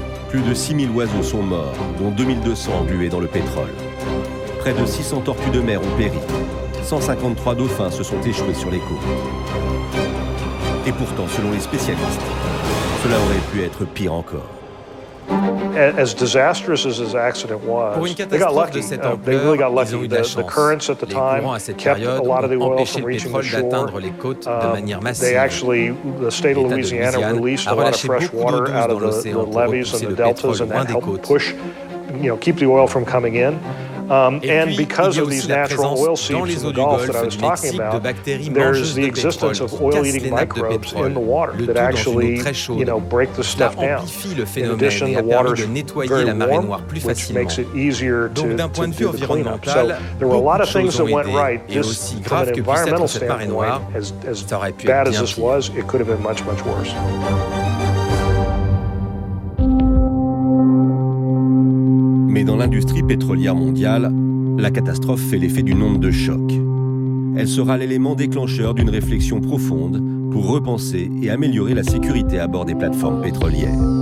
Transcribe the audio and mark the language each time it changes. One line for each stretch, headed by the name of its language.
French: Plus de 6000 oiseaux sont morts, dont 2200 englués dans le pétrole. Près de 600 tortues de mer ont péri. 153 dauphins se sont échoués sur les côtes. Et pourtant, selon les spécialistes, cela aurait pu être pire encore.
English: As disastrous as this accident was, they got lucky. They really got lucky. The currents at the time kept a lot of the oil from reaching the shore. They actually, the state of Louisiana released a lot of fresh water out of the levees and the deltas, and that helped push, you know, keep the oil from coming in. And because of these natural oil seeps in the Gulf that I was talking about, there's the existence of oil-eating microbes in the water that actually, you know, break the stuff down. In addition, the water's very warm, which makes it easier to do the cleanup. So there were a lot of things that went right. This, from an environmental standpoint, as bad as this was, it could have been much, much worse.
French: Mais dans l'industrie pétrolière mondiale, la catastrophe fait l'effet d'une onde de choc. Elle sera l'élément déclencheur d'une réflexion profonde pour repenser et améliorer la sécurité à bord des plateformes pétrolières.